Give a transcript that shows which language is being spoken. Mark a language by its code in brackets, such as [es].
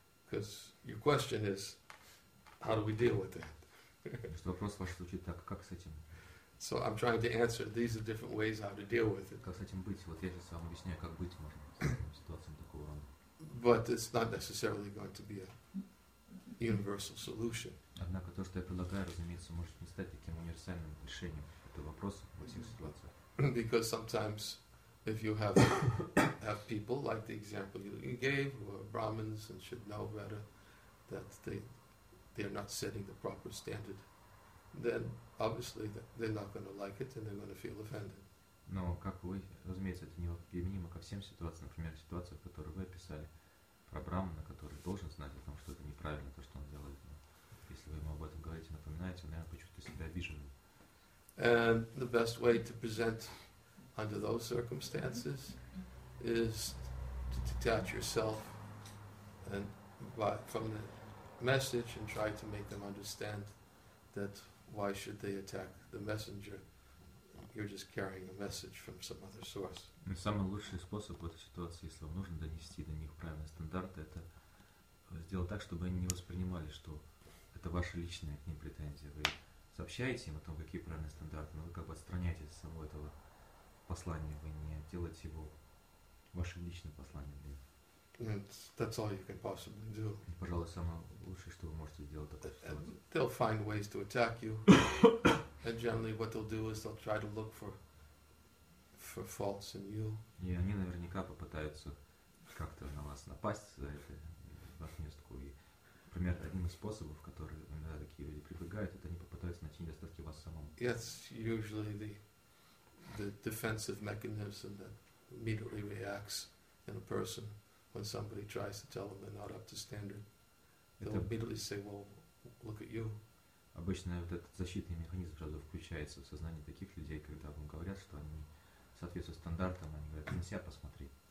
[en] Because your question is, how do we deal with that? [ru] Что вопрос ваш звучит так, как с этим? [en] So I'm trying to answer. These are different ways how to deal with it. [ru] Как с этим быть? Вот я сейчас вам объясняю, как быть можно с ситуацией такого рода. [en] But it's not necessarily going to be a universal solution. [ru] Однако то, что я предлагаю, разумеется, может не стать таким универсальным решением этого вопроса во всех ситуациях. [en] Because sometimes if you have people like the example you gave, who are Brahmins and should know better, that they are not setting the proper standard, then obviously they're not going to like it and they're going to feel offended. [ru] Но как вы, разумеется, это не применимо ко всем ситуациям. Например, ситуация, которую вы описали про брахмана, который должен знать о том, что это неправильно, то, что он делает. Но если вы ему об этом говорите, напоминаете, он, наверное, почувствует себя обиженным. [en] And the best way to present under those circumstances is to detach yourself and from the message and try to make them understand that why should they attack the messenger? You're just carrying a message from some other source. [ru] И самый лучший способ в этой ситуации, если вам нужно донести до них правильные стандарты, это сделать так, чтобы они не воспринимали, что это ваши личные к ним претензии. Вы сообщаете им о том, какие правильные стандарты, но вы как бы отстраняетесь от самого этого послания, вы не делаете его вашим личным посланием. [en] That's all you can possibly do. [ru] И, пожалуй, самое лучшее, что вы можете сделать, это [en] they'll find ways to attack you. And generally what they'll do is they'll try to look for faults in you. [ru] И они наверняка попытаются как-то на вас напасть за это, в отместку. И, например, одним из способов, которые иногда такие люди прибегают, это они попытаются найти недостатки вас самом. [en] It's usually the defensive mechanism that immediately reacts in a person when somebody tries to tell them they're not up to standard. They'll immediately say, well, look at you. [ru] Обычно вот этот защитный механизм сразу включается в сознании таких людей, когда вам говорят, что они не соответствуют стандартам, они говорят, на себя посмотри.